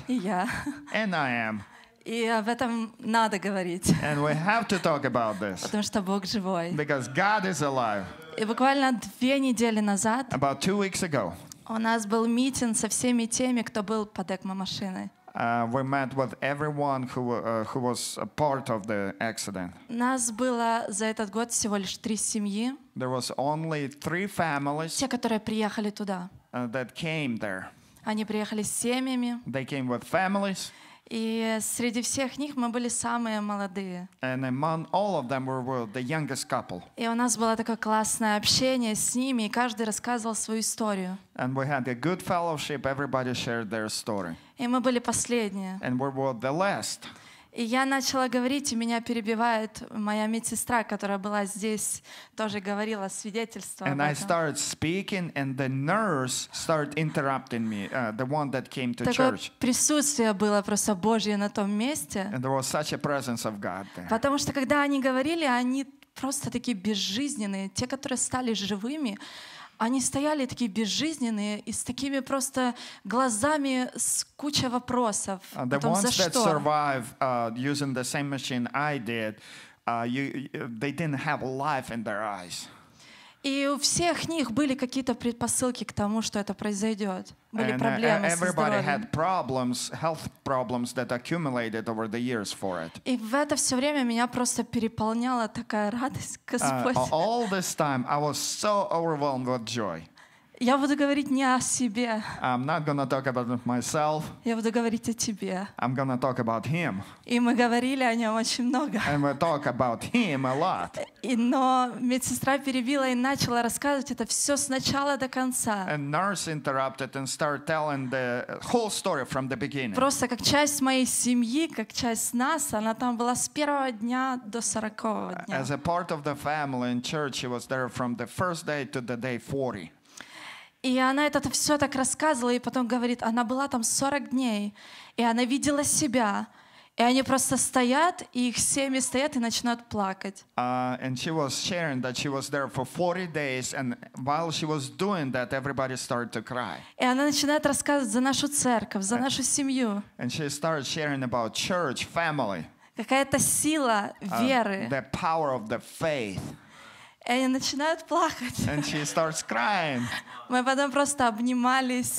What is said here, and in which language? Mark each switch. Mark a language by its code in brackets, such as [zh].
[ru] И я. [en] And I am. [ru] И об этом надо говорить. [en] And we have to talk about this. [ru] Потому что Бог живой. [en] Because God is alive. [ru] И буквально две недели назад. [en] About two weeks ago. [ru] У нас был митинг со всеми теми, кто был под экмо-машиной. [en] We met with everyone who was a part of the accident. [ru] Нас было за этот год всего лишь три семьи. [en] There was only three families. [ru] Те, которые приехали туда. [en] That came there. [ru] Они приехали с семьями. [en] They came with families. [ru] И среди всех них мы были самые молодые. [en] And among all of them, we were the youngest couple. [ru] И у нас было такое классное общение с ними, и каждый рассказывал свою историю. [en] And we had a good fellowship. Everybody shared their story. [ru] И мы были последние. [en] And we were the last. [ru] И я начала говорить, и меня перебивает моя медсестра, которая была здесь, тоже говорила свидетельство. [en] And I started speaking, and the nurse started interrupting me, the one that came to church. [ru] Такое присутствие было просто Божье на том месте. [en] And there was such a presence of God there. [ru] Потому что когда они говорили, они просто такие безжизненные. Те, которые стали живыми, они стояли такие безжизненные и с такими просто глазами с куча вопросов. [en] The [ru] потом, [en] ones [ru] за [en] that [ru] что? [en] Survive using the same machine I did, they didn't have life in their eyes. [ru] И у всех них были какие-то предпосылки к тому, что это произойдет. Были [en] and, [ru] проблемы со здоровьем. [en] Everybody had problems, health problems that accumulated over the years for it. [ru] И в это все время меня просто переполняла такая радость, Господь. [en] All this time I was so overwhelmed with joy. [ru] Я буду говорить не о себе. [en] I'm not gonna talk about myself. [ru] Я буду говорить о тебе. [en] I'm gonna talk about him. [ru] И мы говорили о нем очень много. [en] And we talk about him a lot. [ru] И, но медсестра перебила и начала рассказывать это все с начала до конца. [en] And nurse interrupted and started telling the whole story from the beginning. [ru] Просто как часть моей семьи, как часть нас, она там была с первого дня до сорокового дня. [en] As a part of the family in church, she was there from the first day to the day 40. [ru] И она это все так рассказывала, и потом говорит, она была там 40 дней, и она видела себя, и они просто стоят, и их семьи стоят и начинают плакать. [en] And she was sharing that she was there for 40 days, and while she was doing that, everybody started to cry. [ru] И она начинает рассказывать за нашу церковь, за нашу семью. [en] And she started sharing about church, family. [ru] Какая-то сила веры. [en] The power of the faith. [ru] И они начинают плакать. [en] And she starts crying. [ru] Мы потом просто обнимались,